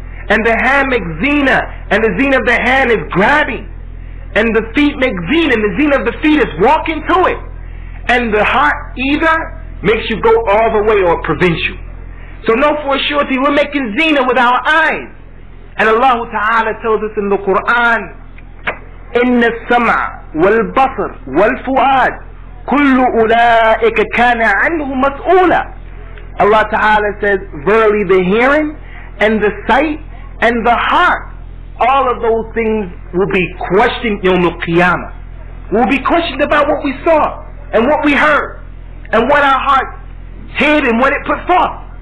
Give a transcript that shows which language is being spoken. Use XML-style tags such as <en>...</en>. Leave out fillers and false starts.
<en>and the hand makes zina, and the zina of the hand is grabbing, and the feet make zina, and the zina of the feet is walking to it, and the heart either makes you go all the way or prevents you. So know for a surety, we're making zina with our eyes. And Allah Ta'ala tells us in the Qur'an,</en> <ar>إِنَّ السَّمْعَ وَالْبَصَرْ وَالْفُؤَادْ كُلُّ أُولَٰئِكَ كَانَ عَنْهُ مَسْئُولًا.</ar> <en>Allah Ta'ala says, verily the hearing and the sight and the heart, all of those things will be questioned يوم القيامة. We'll be questioned about what we saw and what we heard and what our heart hid and what it put forth.</en>